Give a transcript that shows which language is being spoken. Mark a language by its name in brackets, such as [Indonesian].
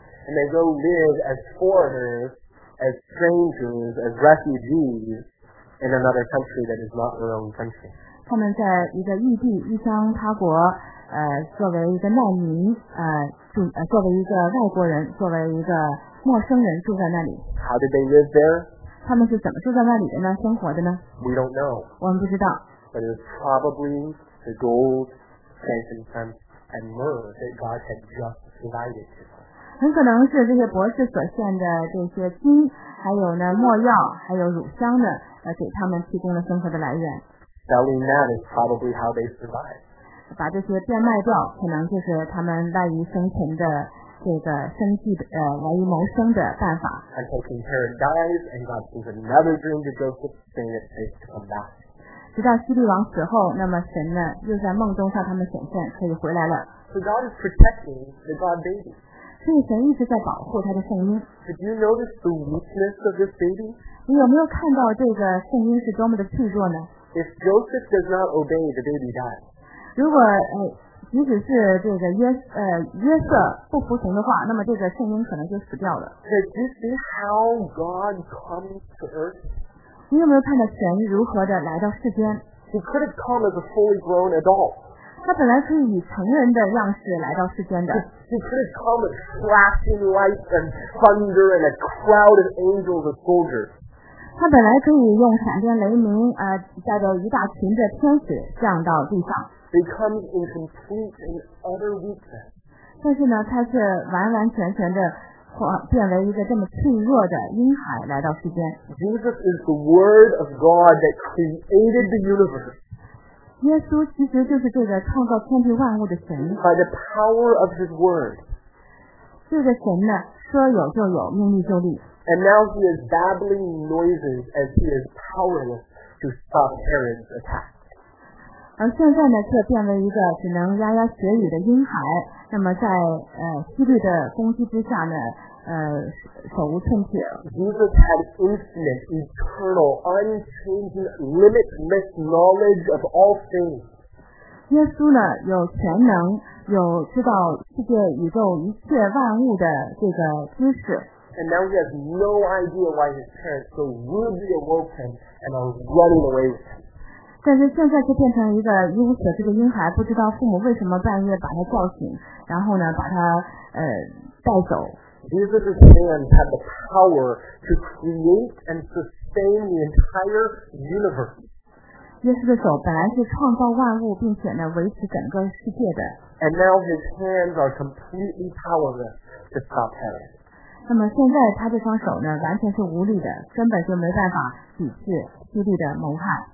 [English] And they go live as foreigners, as strangers, as refugees in another country that is not their own country. [Chinese] 他们在一个异地异乡他国作为一个难民作为一个外国人作为一个陌生人住在那里。 [English] How did they live there? [Chinese] 他们是怎么住在那里的呢生活的呢 [English] We don't know. [Chinese] 我们不知道。 [English] But it was probably the gold, frankincense, and myrrh that God had just provided to them. [Chinese] 很可能是这些博士所献的这些金还有呢墨药还有乳香的给他们提供了生活的来源 [English] Selling that is probably how they survive [Chinese] 把这些变卖掉可能就是他们赖于生存的这个生计的赖于谋生的办法 [English] Until King Herod dies and God gives another dream to Joseph saying it's safe to come back [Chinese] 直到希律王死后那么神呢又在梦中向他们显现可以回来了 [English] So God is protecting the God baby [Chinese] 所以神一直在保护他的圣婴。 [English] Did you notice the weakness of this baby? [Chinese] 你有没有看到这个圣婴是多么的脆弱呢 [English] ？If Joseph does not obey, the baby dies. [Chinese] 如果即使是这个约瑟不服从的话，那么这个圣婴可能就死掉了。 [English] Did you see how God comes to earth? [Chinese] 你有没有看到神如何的来到世间 [English] ？He could have come as a fully grown adult. [Chinese] 他本来可以以成人的样式来到世间的。 [English] He could have come with flashing lights and thunder and a crowd of angels and soldiers. [Chinese] 他本来可以用闪电雷鸣带着一大群的天使降到地上。 [English] He comes in complete and utter weakness. [Chinese] 但是呢他是完完全全的变为一个这么脆弱的婴孩来到世间。 [English] Jesus is the word of God that created the universe. [Chinese] 耶稣其实就是这个创造天地万物的神。 [English] By the power of his word. [Chinese] 这个神呢说有就有命立就立。 [English] And now he is babbling noises as he is powerless to stop Herod's attack. [Chinese] 而现在呢却变为一个只能牙牙学语的婴孩那么在希律的攻击之下呢手无寸铁。 [English] Jesus had infinite, eternal, unchanging, limitless knowledge of all things. [Chinese] 耶稣呢有全能，有知道世界宇宙一切万物的这个知识。 [English] And now he has no idea why his parents so rudely awoke him and are running away with him. [Chinese] 但是现在却变成一个一无所知的婴孩，不知道父母为什么半夜把他叫醒，然后呢把他带走。 [English] Jesus' hands had the power to create and sustain the entire universe. [Chinese] 耶稣的手本来是创造万物，并且呢维持整个世界的。 [English] And now his hands are completely powerless to stop Herod. [Chinese] 那么现在他这双手呢，完全是无力的，根本就没办法抵制希律的谋害。